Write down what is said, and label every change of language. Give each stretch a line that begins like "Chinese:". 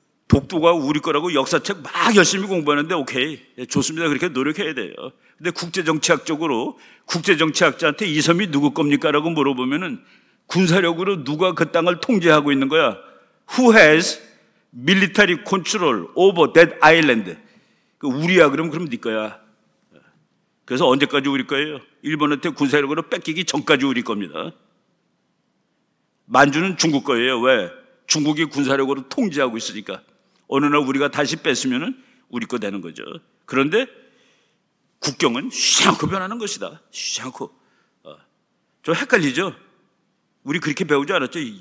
Korean: 독도가 우리 거라고 역사책 막 열심히 공부하는데 오케이. 좋습니다. 그렇게 노력해야 돼요. 근데 국제정치학적으로 국제정치학자한테 이 섬이 누구 겁니까? 라고 물어보면은 군사력으로 누가 그 땅을 통제하고 있는 거야?
English: Who has military control over that island?
Korean: 우리야. 그럼 네 거야. 그래서 언제까지 우리 거예요? 일본한테 군사력으로 뺏기기 전까지 우리 겁니다. 만주는 중국 거예요. 왜? 중국이 군사력으로 통제하고 있으니까. 어느 날 우리가 다시 뺏으면 우리 거 되는 거죠. 그런데 국경은 쉬지 않고 변하는 것이다. 쉬지 않고. 좀 헷갈리죠? 우리 그렇게 배우지 않았죠?